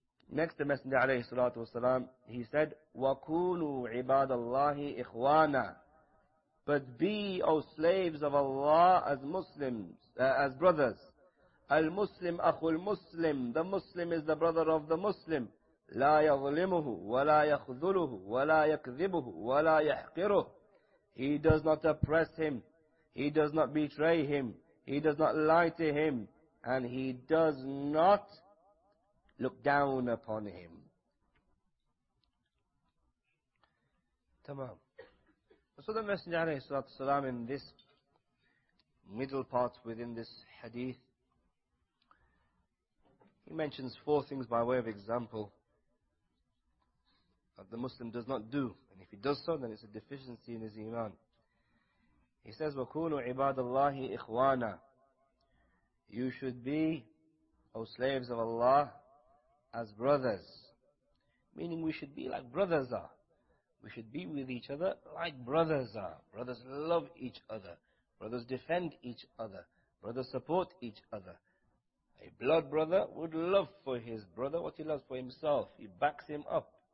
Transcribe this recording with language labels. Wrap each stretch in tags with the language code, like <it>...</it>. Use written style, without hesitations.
<en>Next, the Messenger alayhi salatu wasalam, he said,</en> <ar>وَكُونُوا عِبَادَ اللَّهِ إِخْوَانًا.</ar> <en>But be, O slaves of Allah, as Muslims, as brothers.</en> <ar>المسلم أخو المسلم.</ar> <en>The Muslim is the brother of the Muslim.</en> <ar>لا يظلمه ولا يخذله ولا يكذبه ولا يحقره.</ar> <en>He does not oppress him. He does not betray him. He does not lie to him. And he does not look down upon him. Tamam. So the Messenger alayhi salatu wasalam, in this middle part within this hadith, he mentions four things by way of example that the Muslim does not do. And if he does so, then it's a deficiency in his iman. He says,</en> <ar>وَكُونُوا عِبَادَ اللَّهِ إِخْوَانًا.</ar> <en>You should be, O slaves of Allah, as brothers. Meaning we should be like brothers are. We should be with each other like brothers are. Brothers love each other. Brothers defend each other. Brothers support each other. A blood brother would love for his brother what he loves for himself. He backs him up.</en>